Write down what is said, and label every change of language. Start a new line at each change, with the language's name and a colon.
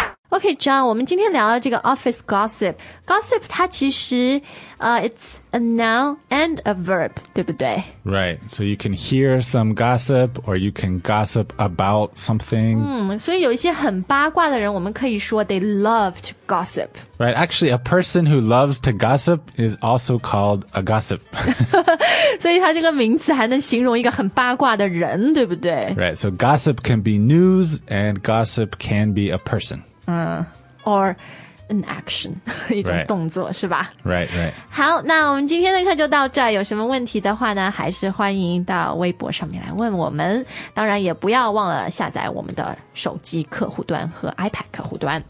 Chinese: OK, John, 我们今天聊了这个 office gossip.
English: Gossip,
Chinese: 它其实
English: it's a noun and a verb,
Chinese: 对不对
English: Right, so you can hear some gossip or you can gossip about something.
Chinese: 所以有一些很八卦的人我们可以说
English: they love to gossip. Right, actually, a person who loves to gossip is also called a gossip.
Chinese: 所以它这个名字还能形容一个很八卦的人对不对
English: Right, so gossip can be news and gossip can be a person. Or an action,
Chinese: 一种动作、
English: right.
Chinese: 是吧
English: Right, right.
Chinese: 好那我们今天的课就到这儿有什么问题的话呢还是欢迎到微博上面来问我们。当然也不要忘了下载我们的手机客户端和 iPad 客户端。